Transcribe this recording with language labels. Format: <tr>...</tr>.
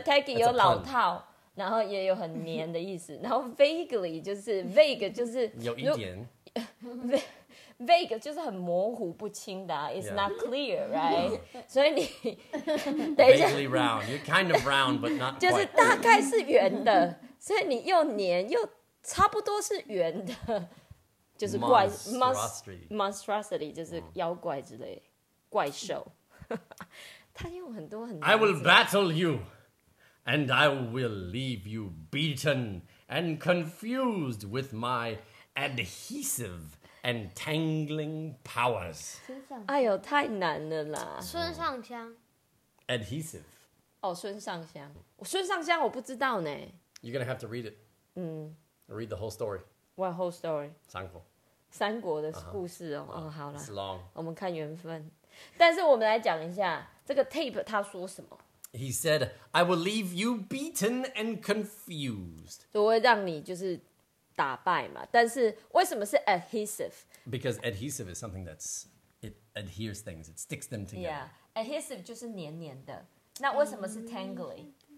<zh>so taggy 有老套。然后也有很黏的意思，然后 vaguely 就是 vague 就是有一点 vague 就是很模糊不清的、啊、，</zh> <en>it's、yeah. not clear, right?</en> <zh>所以你等一下</zh> <en>vaguely round, you're kind of round but not quite.</en> <zh>就是大概是圆的，所以你又黏又差不多是圆的，就是怪</zh> <en>monstrosity</en> <zh>就是妖怪之类怪兽，他用很多很</zh> <en>I will battle you. And I will leave you beaten and confused with my adhesive and tangling powers.</en> <zh>哎呦，太难了啦！孙尚香。</zh> <en>Adhesive.</en> <zh>哦，孙尚香，我不知道呢。</zh> <en>You're gonna have to read it. 嗯。 Read the whole story. What whole story?</en> <zh>三国的故事哦。</zh> <en>Uh-huh.</en> <zh>哦，好了。</zh> <en>It's long.</en> <zh>我们看缘分。但是我们来讲一下这个 tape 它说什么。</zh> <en>He said, I will leave you beaten and confused.</en> <zh>就会让你就是打败嘛。但是为什么是 adhesive?</zh> <en>Because adhesive is something that's, it adheres things, it sticks them together.</en> <zh>Yeah, adhesive 就是黏黏的。那为什么是 tangly?</zh>